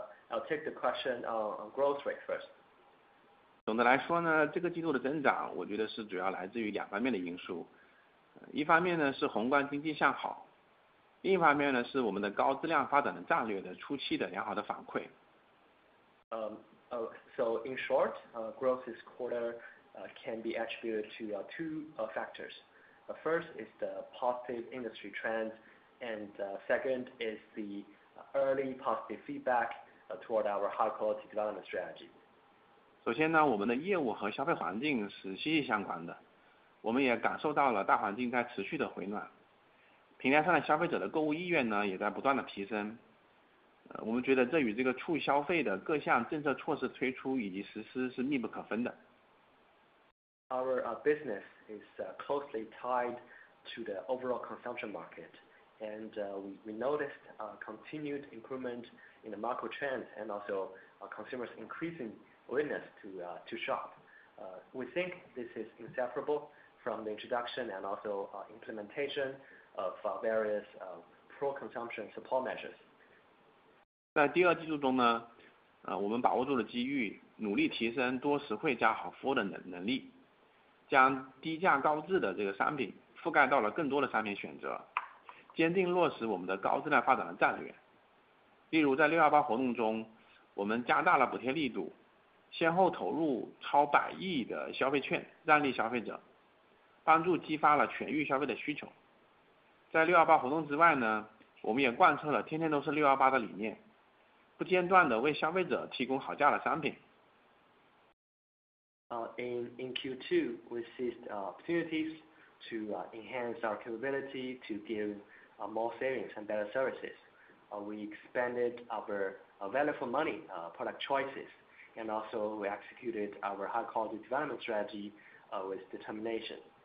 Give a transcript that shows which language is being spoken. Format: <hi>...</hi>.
<en>I'll take the question on growth rate first.</en> <zh>总的来说呢，这个季度的增长，我觉得是主要来自于两方面的因素。一方面呢是宏观经济向好，另一方面呢是我们的高质量发展的战略的初期的良好的反馈。</zh> <en>So in short, growth this quarter can be attributed to two factors. The first is the positive industry trends, and second is the early positive feedback toward our high quality development strategy.</en> <zh>首先呢，我们的业务和消费环境是息息相关的，我们也感受到了大环境在持续的回暖，平台上的消费者的购物意愿呢也在不断的提升。我们觉得这与这个促消费的各项政策措施推出以及实施是密不可分的。</zh> <en>Our business is closely tied to the overall consumption market, and we noticed a continued improvement in the macro trends and also consumers' increasing willingness to shop. We think this is inseparable from the introduction and also implementation of various pro-consumption support measures.</en> <zh>在第二季度中呢，我们把握住了机遇，努力提升多实惠加好服务的能力，将低价高质的这个商品覆盖到了更多的商品选择，坚定落实我们的高质量发展的战略。例如在618活动中，我们加大了补贴力度，先后投入超100亿的消费券让利消费者，帮助激发了全域消费的需求。在618活动之外呢，我们也贯彻了天天都是618的理念，不间断地为消费者提供好价的商品。</zh> <en>In Q2, we seized opportunities to enhance our capability to give more savings and better services. We expanded our value for money product choices, and also we executed our high quality development strategy with determination.</en>